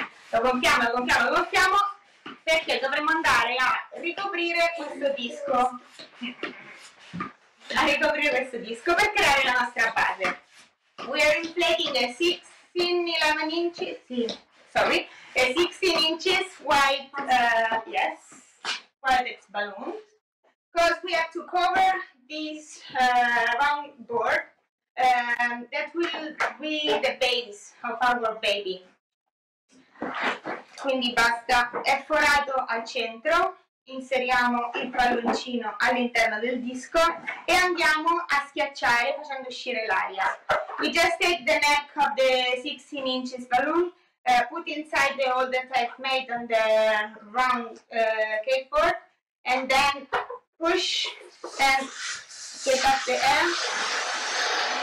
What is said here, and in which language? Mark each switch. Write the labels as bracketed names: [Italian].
[Italian] Lo gonfiamo perché dovremo andare a ricoprire questo disco. A ricoprire questo disco per creare la nostra base. [English] We are inflating a 16 inches, sì, sorry, a 16 inches wide, qualatex balloon, because we have to cover this round board that will be the base of our baby. [Italian] Quindi basta, è forato al centro, inseriamo il palloncino all'interno del disco e andiamo a schiacciare facendo uscire l'aria. [English] We just take the neck of the 16 inches balloon, put inside the hole that I've made on the round cake board, and then push and get up the air.